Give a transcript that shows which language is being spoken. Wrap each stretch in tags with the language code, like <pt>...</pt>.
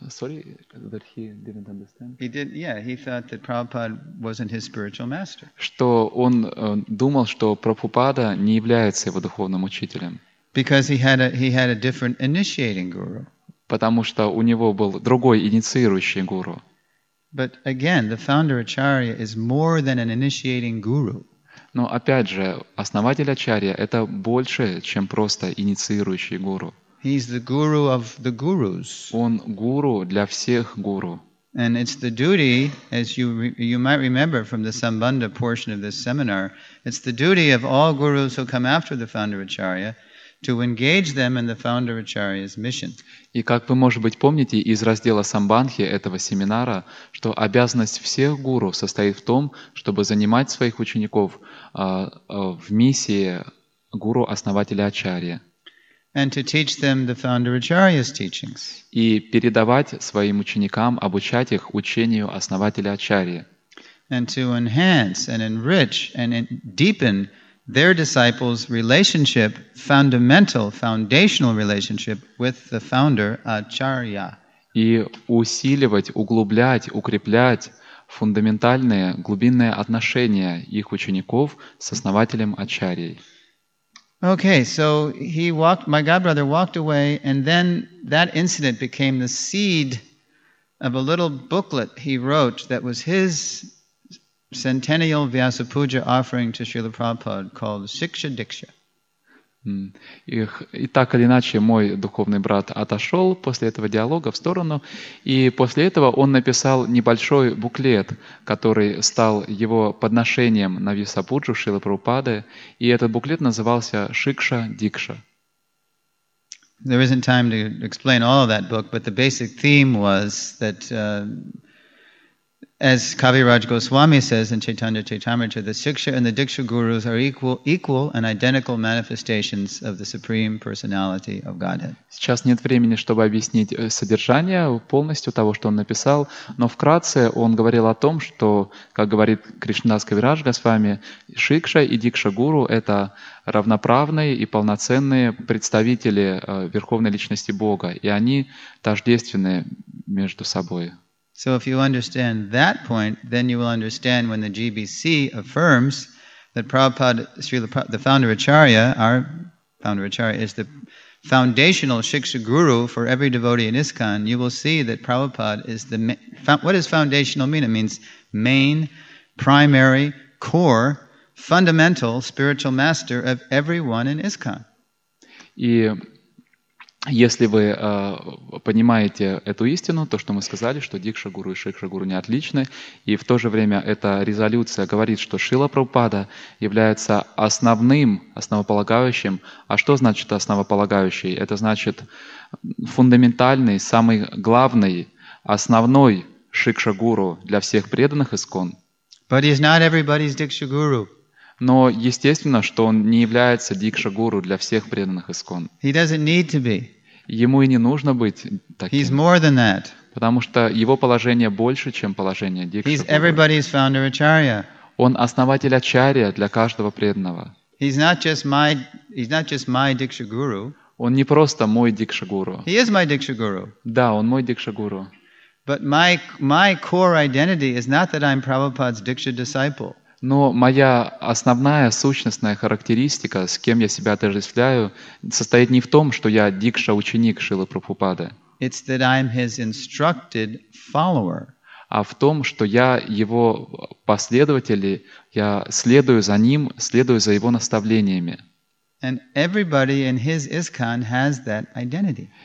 <en>Sorry, that he didn't understand. He did. Yeah, he thought that Prabhupada wasn't his spiritual master.</en> <ru>Что он думал, что Прабхупада не является его духовным учителем.</ru> <en>Because he had a different initiating guru.</en> <ru>Потому что у него был другой инициирующий гуру.</ru> <en>But again, the founder Acharya is more than an initiating guru.</en> <ru>Но опять же, основатель Ачарья — это больше, чем просто инициирующий гуру.</ru> <en>He's the guru of the gurus.</en> <ru>Он гуру для всех гуру.</ru> <en>And it's the duty, as you might remember from the Sambandha portion of this seminar, it's the duty of all gurus who come after the founder Acharya to engage them in the founder Acharya's mission.</en> <ru>И как вы, может быть, помните из раздела Самбанхи этого семинара, что обязанность всех гуру состоит в том, чтобы занимать своих учеников в миссии гуру-основателя Ачарьи.</ru> <en>And to teach them the founder Acharya's teachings.</en> <ru>И передавать своим ученикам, обучать их учению основателя Ачарьи.</ru> <en>And to enhance and enrich and deepen their disciples' relationship, foundational relationship with the founder Acharya.</en> <ru>И усиливать, углублять, укреплять фундаментальные, глубинные отношения их учеников с основателем Ачарьей.</ru> <en>Okay, so he walked. My godbrother walked away, and then that incident became the seed of a little booklet he wrote that was his centennial Vyasa Puja offering to Srila Prabhupada called Siksha Diksha.</en> <ru>И так или иначе, мой духовный брат отошел после этого диалога в сторону, и после этого он написал небольшой буклет, который стал его подношением на Вьясапуджу Шрилы Прабхупады, и этот буклет назывался Шикша Дикша.</ru> <en>There isn't time to explain all of that book, but the basic theme was that as Kaviraj Goswami says in Chaitanya Charitamrita, the Siksha and the Diksha Gurus are equal and identical manifestations of the Supreme Personality of Godhead.</en> <ru>Сейчас нет времени, чтобы объяснить содержание полностью того, что он написал, но вкратце он говорил о том, что, как говорит Кришнадас Кавирадж Госвами, Шикша и Дикша Гуру — это равноправные и полноценные представители Верховной Личности Бога, и они тождественны между собой.</ru> <en>So if you understand that point, then you will understand when the GBC affirms that Prabhupada, Srila, the founder Acharya, our founder Acharya, is the foundational Shiksha Guru for every devotee in ISKCON, you will see that Prabhupada is the main. What does foundational mean? It means main, primary, core, fundamental spiritual master of everyone in ISKCON.</en> <ru>И если вы понимаете эту истину, то, что мы сказали, что Дикша Гуру и Шикша Гуру не отличны, и в то же время эта резолюция говорит, что Шрила Прабхупада является основным, основополагающим. А что значит основополагающий? Это значит фундаментальный, самый главный, основной Шикша Гуру для всех преданных ИСККОН.</ru> <en>But he's not everybody's Diksha Guru.</en> <ru>Но естественно, что он не является Дикша Гуру для всех преданных ИСККОН.</ru> <en>He doesn't need to be.</en> <ru>Ему и не нужно быть таким.</ru> <en>He's more than that.</en> <ru>Потому что его положение больше, чем положение Дикша</ru> <en>Гуру. He's everybody's founder Acharya.</en> <ru>Он основатель Ачарья для каждого преданного.</ru> <en>He's not just my Diksha Guru.</en> <ru>Он не просто мой Дикша Гуру.</ru> <en>He is my Diksha Guru.</en> <ru>Да, он мой Дикша Гуру.</ru> <en>But my core identity is not that I'm Prabhupada's Diksha disciple.</en> <ru>Но моя основная сущностная характеристика, с кем я себя отождествляю, состоит не в том, что я дикша-ученик Шрилы Прабхупады,</ru> <en>it's that I'm his instructed follower.</en> <ru>А в том, что я его последователь, я следую за ним, следую за его наставлениями.</ru> <en>And everybody in his ISKCON has that identity.</en>